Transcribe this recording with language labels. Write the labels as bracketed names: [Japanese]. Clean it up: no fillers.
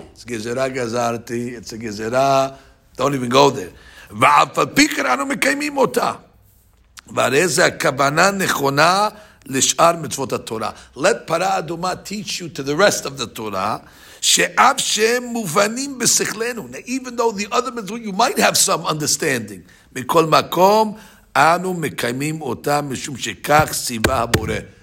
[English] It's גזרה גזרתי, it's a גזרה, don't even go there. [Hebrew] ואף על פי כן אנו מקיימים אותה. והרי זה הכוונה נכונה לשאר מצוות התורה. [English] Let פרה אדומה teach you to the rest of the Torah, [Hebrew] שאף שהם מובנים בשכלנו. [English] Now even though the other mitzvot, you might have some understanding. [Hebrew] מכל מקום, אנו מקיימים אותה משום שכך ציווה הבורא.